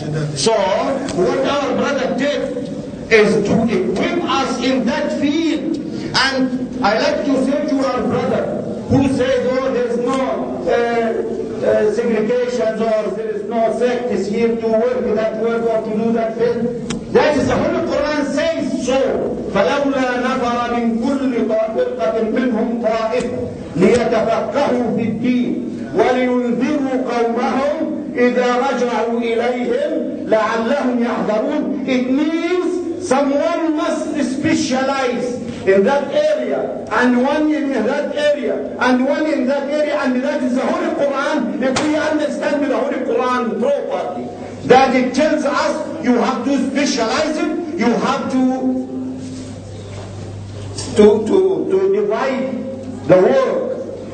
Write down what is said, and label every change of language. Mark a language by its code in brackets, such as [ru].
[en] So what our brother did is to equip us in that field. And I like to say to our brother who says, oh, there's no segregation or there is no sect is here to work that work or to do that thing. That is the Holy Quran says so. [ar] فلولا نفر من كل طائفة منهم طائفة ليتفقهوا في الدين ولينذروا قومهم إذا رجعوا إليهم لعلهم يحذرون. [en] It means someone must specialize in that area and one in that area and one in that area, and that is the Holy Quran. If we understand the Holy Quran properly, that it tells us you have to specialize it, you have to divide the work.